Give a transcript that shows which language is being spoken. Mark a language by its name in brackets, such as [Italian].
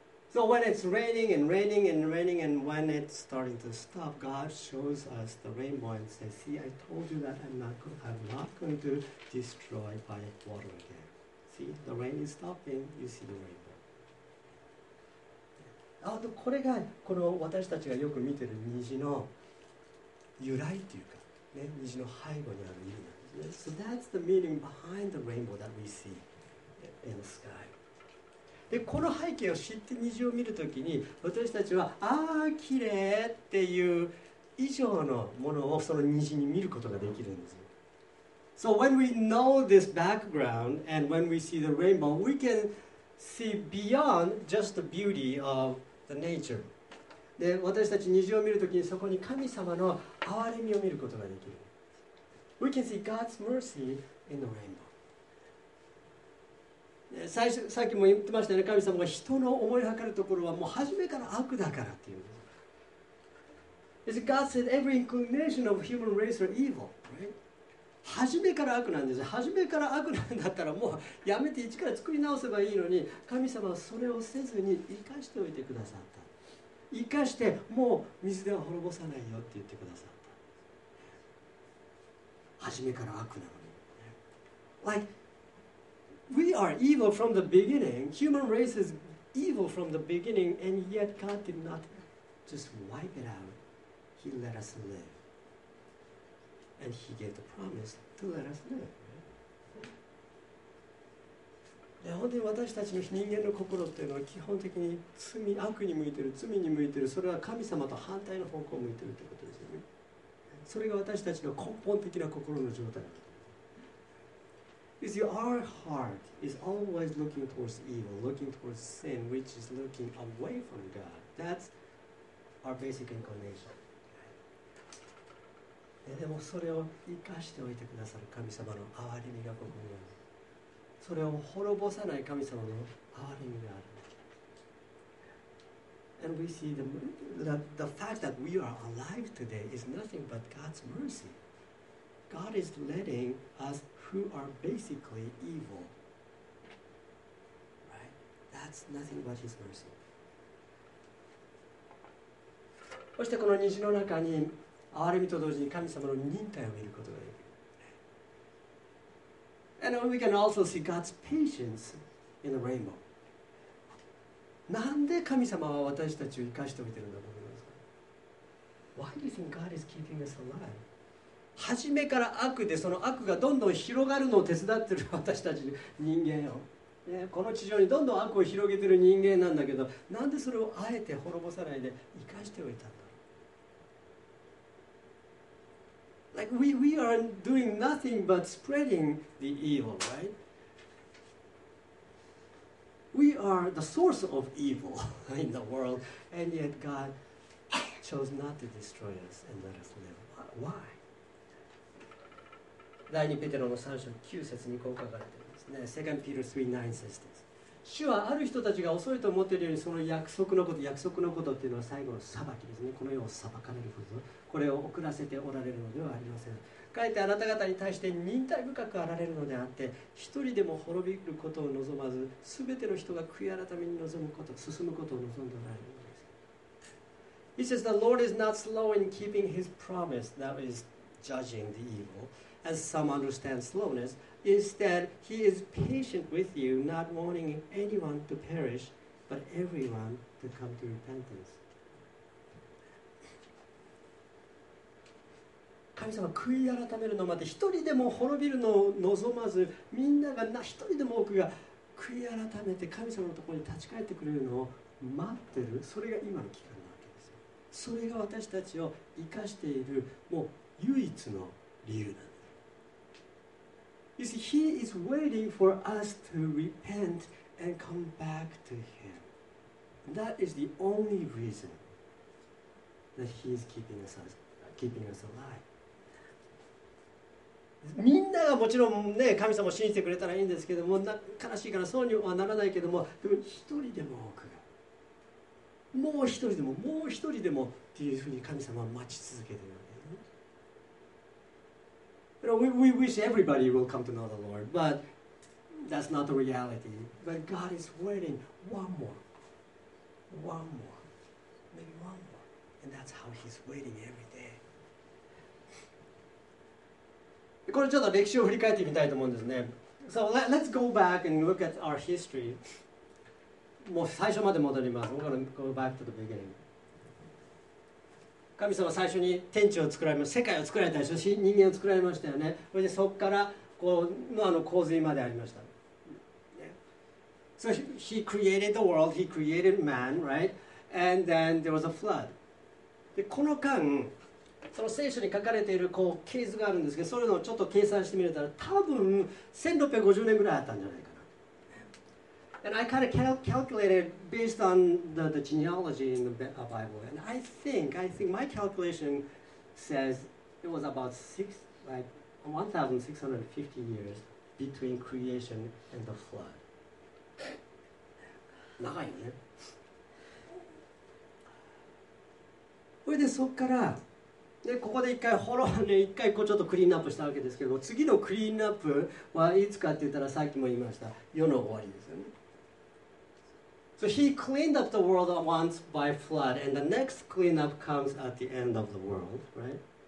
[English] So when it's raining and raining and raining and when it's starting to stop, God shows us the rainbow and says, See, I told you that I'm not going to destroy by water again. See, the rain is stopping, you see the rainbow. [Japanese] これがこの私たちがよく見てる虹の由来っていうか、ね、虹の背後にある意味なんですね。 [English] So that's the meaning behind the rainbow that we see in the sky. [Japanese] で、この背景を知って虹を見るときに、私たちは、ああ、綺麗っていう以上のものをその虹に見ることができるんですよ。 [English] So when we know this background and when we see the rainbow, we can see beyond just the beauty of the nature. [Japanese] で、私たち虹を見るときにそこに神様の憐れみを見ることができる。 [English] We can see God's mercy in the rainbow. [Japanese] で、さっきも言ってましたね、神様が人の思い計るところはもう初めから悪だからっていう。 [English] As God said, every inclination of human race are evil, right? [Japanese] 初めから悪なんです。初めから悪なんだったらもうやめて一から作り直せばいいのに、神様はそれをせずに生かしておいてくださった。生かしてもう水では滅ぼさないよって言ってくださった。初めから悪なのに、 [English] Like we are evil from the beginning, human race is evil from the beginning, and yet God did not just wipe it out. He let us live, and he gave the promise to let us live. [Japanese] で、本当に私たちの人間の心っていうのは基本的に罪、悪に向いてる、罪に向いてる、それは神様と反対の方向を向いてるってことですよね。それが私たちの根本的な心の状態だと。 [English] Is your heart is always looking towards evil, looking towards sin, which is looking away from God. That's our basic inclination. [Japanese] でもそれを生かしておいてくださる神様の憐れみが心にある、それを滅ぼさない神様の憐れみがある。 [English] And we see the fact that we are alive today is nothing but God's mercy. God is letting us who are basically evil, right? That's nothing but His mercy. [Japanese] そしてこの虹の中に憐れみと同時に神様の忍耐を見ることができる。 [English] And we can also see God's patience in the rainbow. [Japanese] なんで神様は私たちを生かしておいてるんだと思いますか？ [English] Why do you think God is keeping us alive? [Japanese] 初めから悪で、その悪がどんどん広がるのを手伝ってる私たち人間よ、ね。この地上にどんどん悪を広げてる人間なんだけど、なんでそれをあえて滅ぼさないで生かしておいたんだ？ [English] Like we are doing nothing but spreading the evil, right? We are the source of evil in the world, and yet God chose not to destroy us and let us live. Why? [Japanese] 第2ペテロの3章9節にこう書かれてますね。 [English] 2 Peter 3:9 says this. [Japanese] 主はある人たちが恐れと思っているようにその約束のこと、約束のことっていうのは最後の裁きですね。この世を裁かれること、これを送らせておられるのではありません。かえってあなた方に対して忍耐深くあられるのであって、一人でも滅びることを望まず、すべての人が悔い改めに望むこと、進むことを望んでおられるのです。 [English] He says, the Lord is not slow in keeping his promise, that is judging the evil, as some understand slowness. Instead, he is patient with you, not wanting anyone to perish, but everyone to come to repentance. [Japanese] 神様、悔い改めるのまで、一人でも滅びるのを望まず、みんなが一人でも多くが悔い改めて神様のところに立ち返ってくれるのを待ってる。それが今の期間なわけですよ。それが私たちを生かしているもう唯一の理由なんです。 [English] You see, he is waiting for us to repent and come back to him. That is the only reason that he is keeping us alive. [Japanese] みんながもちろんね、神様を信じてくれたらいいんですけども、悲しいからそうにはならないけども、でも一人でも多くが、もう一人でも、もう一人でもっていうふうに神様は待ち続けている。 [English] You know, we wish everybody will come to know the Lord, but that's not the reality. But God is waiting one more, and that's how He's waiting every day. [Japanese] これちょっと歴史を振り返ってみたいと思うんですね。 [English] So let's go back and look at our history. [Japanese] もう最初まで戻ります。 [English] We're gonna go back to the beginning. [Japanese] 神様最初に天地を作られました。世界を作られたでしょ。人間を作られましたよね。それでそこからこう、あの洪水までありました。 [English] So he created the world, he created man, right? And then there was a flood. [Japanese] で、この間、その聖書に書かれているこう、系図があるんですけど、それをちょっと計算してみれたら、多分1650年ぐらいあったんじゃないかな。 [English] And I kind of calculated based on the genealogy in the Bible. And I think my calculation says it was about 1,650 years between creation and the flood. [Japanese] 長いね。それでそこから、でここで一回滅びね、一回こうちょっとクリーンアップしたわけですけど、次のクリーンアップはいつかって言ったら、さっきも言いました、世の終わりですよね。 [English] So he cleaned up the world once by flood, and the next cleanup comes at the end of the world, right?